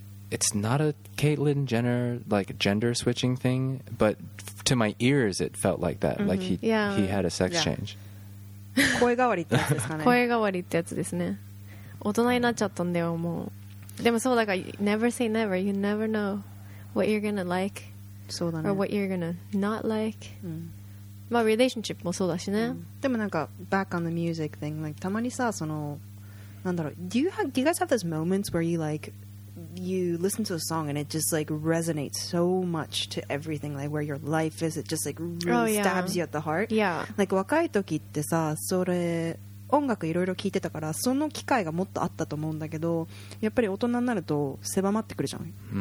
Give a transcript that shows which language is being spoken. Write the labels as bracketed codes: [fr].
[en] It's not a Caitlyn Jenner, like, gender switching thing. But to my ears, it felt like that. Mm-hmm. Like, he had a sex change. [ja] 声変わりってやつですかね。声変わりってやつですね。大人になっちゃったんだよ、もう。でもそう、 [en] like, never say never. You never know what you're gonna like. [ja] そうだね。 [en] Or what you're gonna not like. Mm. [ja] まあ、 [en] relationship [ja] もそうだしね。でもなんか、 [en] back on the music thing, like, [ja] たまにさ、その、なんだろう、 [en] do you guys have those moments where you, like, you listen to a song and it just, like, resonates so much to everything, like, where your life is, it just, like, really stabs you at the heart? Yeah. [ja] Like, 若い時ってさ、それ、音楽いろいろ聞いてたから、その機会がもっとあったと思うんだけど、やっぱり大人になると、狭まってくるじゃん。